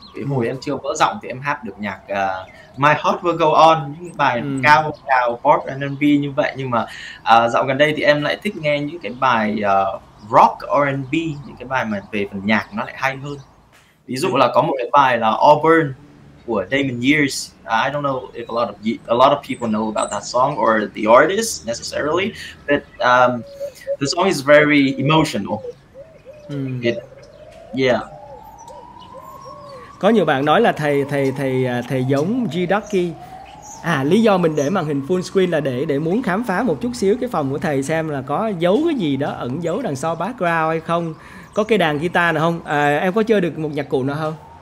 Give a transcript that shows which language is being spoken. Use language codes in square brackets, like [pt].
[vi] Cái hồi em chưa vỡ giọng thì em hát được nhạc My Heart Will Go On, những bài cao cao pop R&B như vậy. Nhưng mà dạo gần đây thì em lại thích nghe những cái bài rock R&B, những cái bài mà về phần nhạc nó lại hay hơn. Ví dụ là có một cái bài là Auburn của Damon Years. [en] I don't know if a lot of people know about that song or the artist necessarily, but the song is very emotional. Yeah. [vi] Có nhiều bạn nói là thầy giống G Ducky. À, lý do mình để màn hình full screen là để muốn khám phá một chút xíu cái phòng của thầy, xem là có giấu cái gì đó ẩn giấu đằng sau background hay không. Có cây đàn guitar nào không? À, em có chơi được một nhạc cụ nào không?